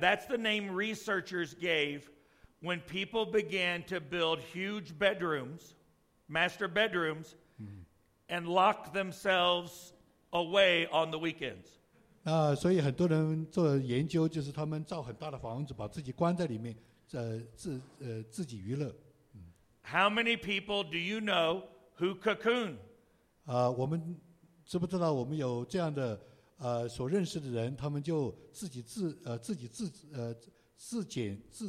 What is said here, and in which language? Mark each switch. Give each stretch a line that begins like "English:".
English: That's the name researchers gave when people began to build huge bedrooms. Master bedrooms, and lock themselves away on the weekends.
Chinese: 所以很多人做研究，就是他们造很大的房子，把自己关在里面，自己娱乐。
English: How many people do you know who cocoon?
Chinese: 我们知不知道我们有这样的所认识的人，他们就自己自茧。